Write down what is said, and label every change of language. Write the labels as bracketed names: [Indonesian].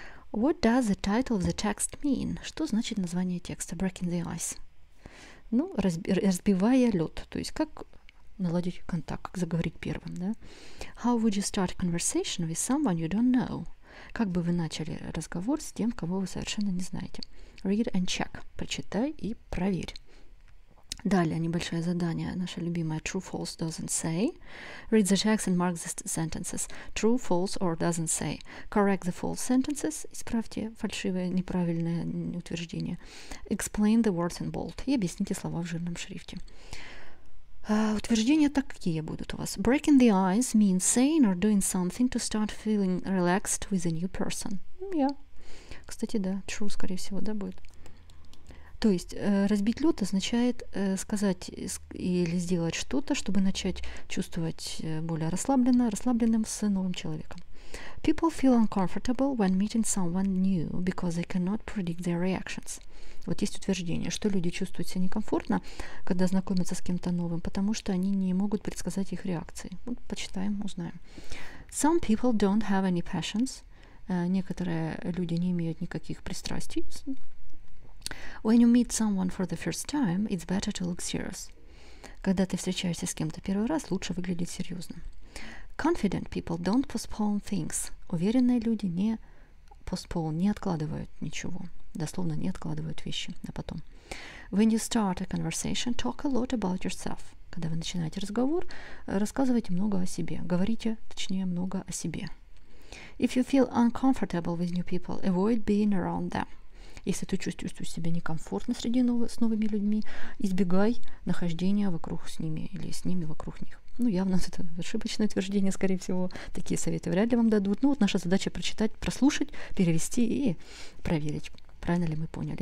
[English] What does the title of the text mean? [Russian] Что значит название текста? [English] Breaking the ice. [Russian] Ну, разбивая лед. То есть, как наладить контакт, как заговорить первым, да? [English] How would you start a conversation with someone you don't know? [Russian] Как бы вы начали разговор с тем, кого вы совершенно не знаете? [English] Read and check. [Russian] Прочитай и проверь. Далее, небольшое задание, наше любимое [English] true, false, doesn't say. Read the text and mark the sentences. True, false or doesn't say. Correct the false sentences. [Russian] Исправьте фальшивые, неправильные утверждения. [English] Explain the words in bold. [Russian] И объясните слова в жирном шрифте. Утверждения такие будут у вас. [English] Breaking the ice means saying or doing something to start feeling relaxed with a new person. Yeah. [Russian] Кстати, да, true, скорее всего, да, будет. То есть разбить лед означает сказать или сделать что-то, чтобы начать чувствовать более расслабленно, расслабленным с новым человеком. [English] People feel uncomfortable when meeting someone new because they cannot predict their reactions. [Russian] Вот есть утверждение, что люди чувствуют себя некомфортно, когда знакомятся с кем-то новым, потому что они не могут предсказать их реакции. Вот, почитаем, узнаем. [English] Some people don't have any passions. [Russian] Некоторые люди не имеют никаких пристрастий. [English] When you meet someone for the first time, it's better to look serious. [Russian] Когда ты встречаешься с кем-то первый раз, лучше выглядеть серьезно. [English] Confident people don't postpone things. [Russian] Уверенные люди не postpone, не откладывают ничего. Дословно, не откладывают вещи на потом. [English] When you start a conversation, talk a lot about yourself. [Russian] Когда вы начинаете разговор, рассказывайте много о себе. Говорите, точнее, много о себе. [English] If you feel uncomfortable with new people, avoid being around them. [Russian] Если ты чувствуешь себя некомфортно среди с новыми людьми, избегай нахождения вокруг с ними или с ними вокруг них. Ну, явно это ошибочное утверждение, скорее всего. Такие советы вряд ли вам дадут. Ну, вот наша задача прочитать, прослушать, перевести и проверить, правильно ли мы поняли.